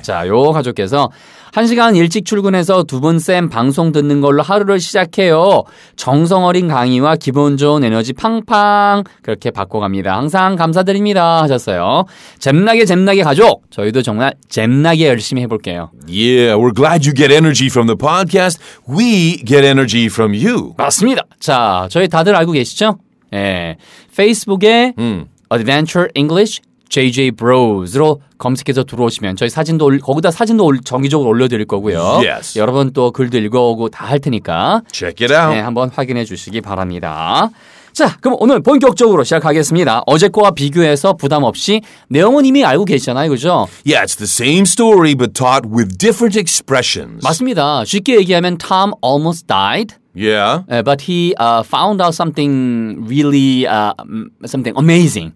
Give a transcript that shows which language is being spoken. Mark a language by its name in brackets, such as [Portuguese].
[Korean] 자, 요 가족께서 한 시간 일찍 출근해서 두 분 쌤 방송 듣는 걸로 하루를 시작해요. 정성어린 강의와 기분 좋은 에너지 팡팡 그렇게 바꿔갑니다. 항상 감사드립니다 하셨어요. 잼나게 가족 저희도 정말 잼나게 열심히 해볼게요. [English] Yeah, we're glad you get energy from the podcast. We get energy from you. [Korean] 맞습니다. 자, 저희 다들 알고 계시죠? 예, 페이스북에 Adventure English JJ Bros로 검색해서 들어오시면 저희 사진도 거기다 사진도 정기적으로 올려드릴 거고요. [English] Yes. [Korean] 여러분 또 글도 읽어오고 다 할 테니까 [English] Check it out. [Korean] 네, 한번 확인해 주시기 바랍니다. 자, 그럼 오늘 본격적으로 시작하겠습니다. 어제 거와 비교해서 부담 없이 내용은 이미 알고 계시잖아요, 그죠? [English] Yeah, it's the same story but taught with different expressions. [Korean] 맞습니다. 쉽게 얘기하면 [English] Tom almost died. Yeah. But he found out something really, something amazing.